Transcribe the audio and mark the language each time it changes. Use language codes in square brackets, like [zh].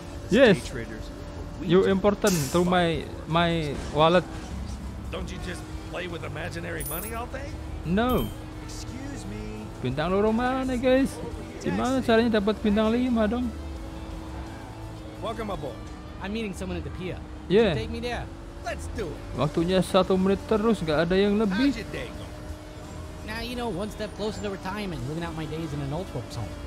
[en] Yes, you important to my wallet. Don't you just play with imaginary money all day? No. Excuse me. Bintang loro mana, guys? [id] Gimana caranya dapat bintang 5 dong? [en] Welcome aboard. I'm meeting someone at the pier. Yeah. Take me there. Let's do it. [id] Waktunya 1 menit terus, nggak ada yang lebih. [en] How's your day going? Now you know, one step closer to retirement, living out my days in an old folks home.